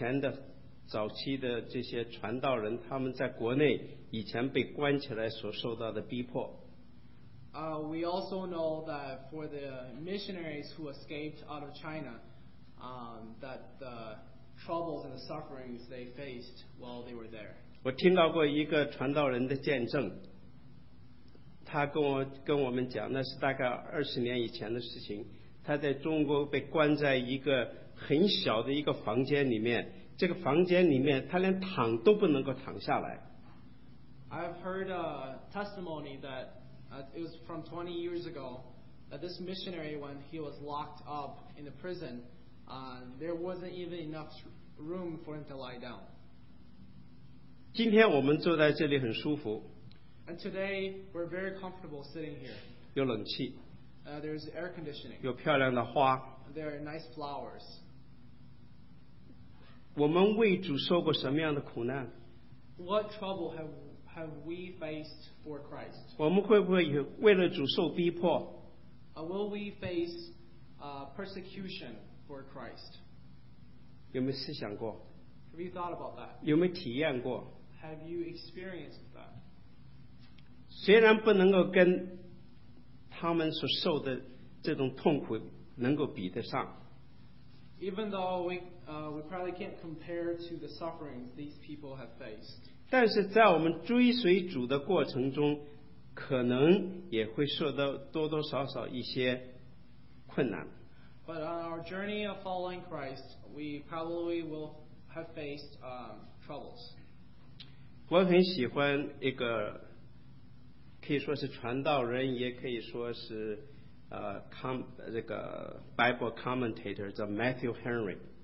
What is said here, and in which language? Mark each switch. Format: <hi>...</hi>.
<zh>我们也听到从国内逃出来的以前的早期的这些传道人, 他们在国内以前被关起来所受到的逼迫。</zh> <en>We also know that for the missionaries who escaped out of China, that the troubles and the sufferings they faced while they were there.</en> <zh>我听到过一个传道人的见证, 他跟我们讲, 那是大概20年以前的事情, 他在中国被关在一个很小的一个房间里面, 这个房间里面, 他连躺都不能够躺下来。</zh> <en>I've heard a testimony that it was from 20 years ago, that this missionary, when he was locked up in the prison, there wasn't even enough room for him to lie down.</en> <zh>今天我们坐在这里很舒服。</zh> <en>And today, we're very comfortable sitting here.</en> <zh>有冷气。</zh> <en>There's air conditioning.</en> <zh>有漂亮的花。</zh> <en>There are nice flowers.</en> <zh>我们为主受过什么样的苦难?</zh> <en>What trouble have we faced for Christ?</en> <zh>我们会不会为了主受逼迫?</zh> <en>Will we face persecution for Christ?</en> <zh>有没有思想过?</zh> <en>Have you thought about that?</en> <zh>有没有体验过?</zh> <en>Have you experienced that?</en> <zh>虽然不能够跟 他们所受的这种痛苦能够比得上。</zh> <en>Even though we probably can't compare to the sufferings these people have faced.</en> <zh>但是在我们追随主的过程中, 可能也会受到多多少少一些困难。</zh> <en>But on our journey of following Christ, we probably will have faced troubles.</en> <zh>我很喜欢一个 可以说是传道人，也可以说是</zh> <en>Bible commentator the Matthew Henry.</en>